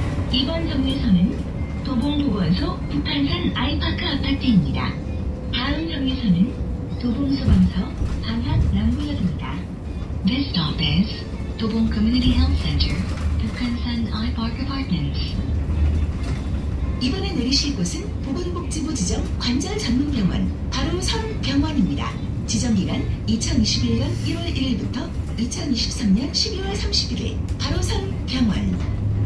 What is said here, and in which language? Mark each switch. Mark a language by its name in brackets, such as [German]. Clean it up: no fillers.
[Korean] 이번 정류소는 도봉보건소 북한산 아이파크 아파트입니다. 다음 정류소는 도봉소방서 방학 남구역입니다. [English] This stop is 도봉 Community Health Center, 북한산 아이파크 아파트. [Korean] 이번에 내리실 곳은 보건복지부 지정 관절 전문병원 바로 서울병원입니다. 지정기간 2021년 1월 1일부터 2023년 12월 31일 바로 서울병원.